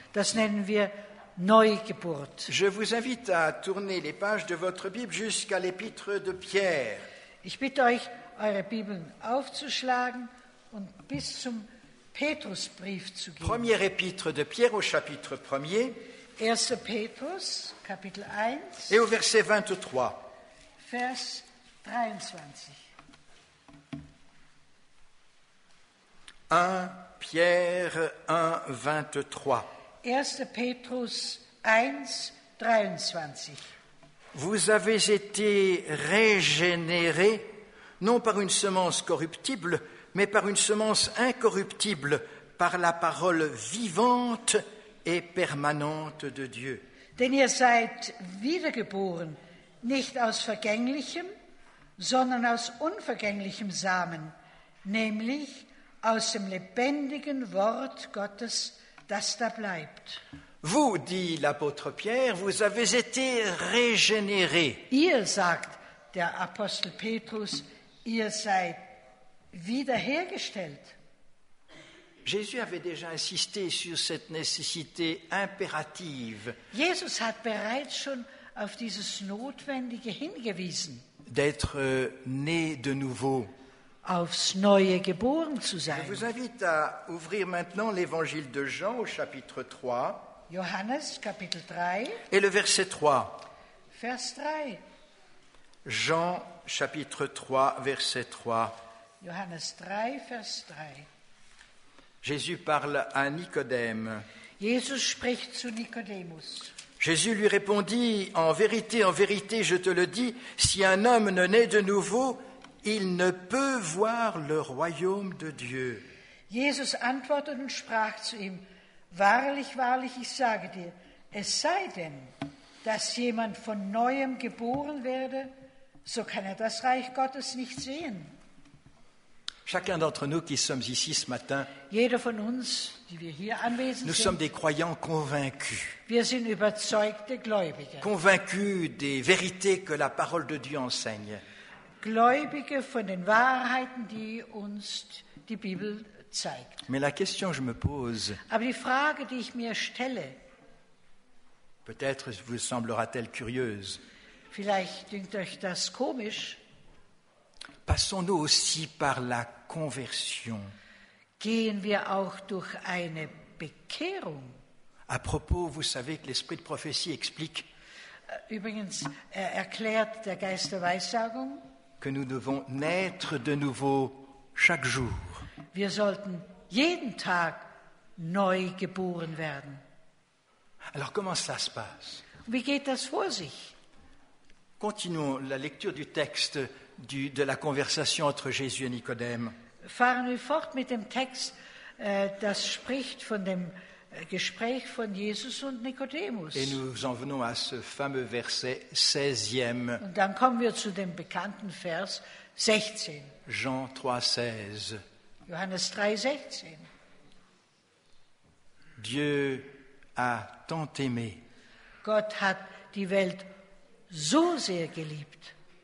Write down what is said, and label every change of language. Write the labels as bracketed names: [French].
[German] Das nennen wir Neugeburt. [French] Je vous invite à tourner les pages de votre Bible jusqu'à l'épître de Pierre. [German] Ich bitte euch, eure Bibeln aufzuschlagen und bis zum Petrusbrief zu gehen. [French] Premier épître de Pierre au chapitre 1er. [German] 1. Petrus, Kapitel 1. [French] Et au verset 23. [German] Vers 23. [French] 1 Pierre 1, 23. [German] 1. Petrus 1, 23. [French] Vous avez été régénérés, non par une semence corruptible, mais par une semence incorruptible, par la parole vivante et permanente de Dieu. [German] Denn ihr seid wiedergeboren, nicht aus vergänglichem, sondern aus unvergänglichem Samen, nämlich aus dem lebendigen Wort Gottes, das da bleibt. [French] Vous, dit l'apôtre Pierre, vous avez été régénérés. [German] Ihr, sagt der Apostel Petrus, ihr seid wiederhergestellt. [French] Jésus avait déjà insisté sur cette nécessité impérative. [German] Jesus hat bereits schon auf dieses Notwendige hingewiesen. [French] D'être né de nouveau. [German] Aufs Neue geboren zu sein. [French] Je vous invite à ouvrir maintenant l'évangile de Jean au chapitre 3. [German] Johannes, Kapitel 3. [French] Et le verset 3. [German] Vers 3. [French] Jean, chapitre 3, verset 3. [German] Johannes 3, vers 3. [French] Jésus parle à Nicodème. [German] Jesus spricht zu Nicodemus. [French] Jésus lui répondit, « en vérité, je te le dis, si un homme ne naît de nouveau, il ne peut voir le royaume de Dieu. » [German] Jesus antwortet und sprach zu ihm, « Wahrlich, wahrlich, ich sage dir, es sei denn, dass jemand von Neuem geboren werde, so kann er das Reich Gottes nicht sehen. » [French] Chacun d'entre nous qui sommes ici ce matin, [German] jeder von uns, die wir hier anwesend sind, [French] nous sommes des croyants convaincus. [German] Wir sind überzeugte Gläubige. [French] Convaincus des vérités que la parole de Dieu enseigne. [German] Gläubige von den Wahrheiten, die uns die Bibel zeigt. [French] Mais la question que je me pose, [German] aber die Frage, die ich mir stelle, [French] peut-être vous semblera-t-elle curieuse. [German] Vielleicht dünkt euch das komisch. [French] Passons-nous aussi par la conversion. [German] Gehen wir auch durch eine Bekehrung. [French] À propos, vous savez que l'esprit de prophétie explique. [German] Übrigens, erklärt der Geist der Weissagung. [French] Que nous devons naître de nouveau chaque jour. [German] Wir sollten jeden Tag neu geboren werden. [French] Alors comment ça se passe? [German] Wie geht das vor sich? [French] Continuons la lecture du texte. De la conversation entre Jésus et Nicodème. [German] Fahren wir fort mit dem Text, das spricht von dem Gespräch von Jesus und Nicodemus. [French] Et nous en venons à ce fameux verset 16e. [German] Und dann kommen wir zu dem bekannten Vers 16. [French] Jean 3, 16. [German] Johannes 3, 16. [French] Dieu a tant aimé. [German] Gott hat die Welt so sehr geliebt.